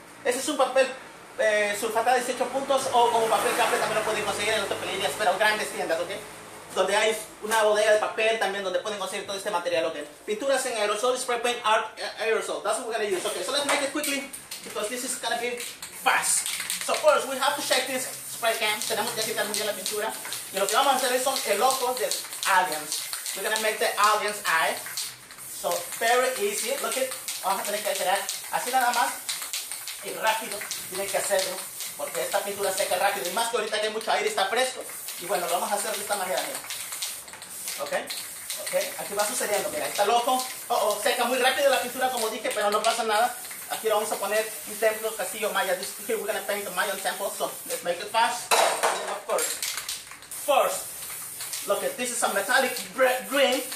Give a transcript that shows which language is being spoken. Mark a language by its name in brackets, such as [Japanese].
[Spanish] Ese es un papel sulfatado 18 puntos o como papel café también lo pueden conseguir en otras pelillas, pero grandes tiendas, ¿ok? Donde hay una bodega de papel también donde pueden conseguir todo este material, ¿ok? Pinturas en aerosol, [English] spray paint, art aerosol. That's what we're gonna use, ¿ok? So let's make it quickly because this is gonna be fast. So first, we have to check this spray can. [Spanish] Tenemos que quitar muy bien la pintura. Y lo que vamos a hacer son el ojo de aliens. [English] We're gonna make the aliens eye. So, very easy. Look it. [Spanish] Vamos a tener que esperar así nada más. Y rápido. Tienen que hacerlo. Porque esta pintura seca rápido. Y más que ahorita que hay mucho aire, está fresco. Y bueno, lo vamos a hacer de esta manera. Mira. ¿Ok? ¿Ok? Aquí va sucediendo. Mira, está loco. Seca muy rápido la pintura, como dije, pero no pasa nada. Aquí vamos a poner un templo, castillo maya. [English] This, here we're going to paint the Mayan temple. So, let's make it fast. And of course. First, look at this. Is a metallic green.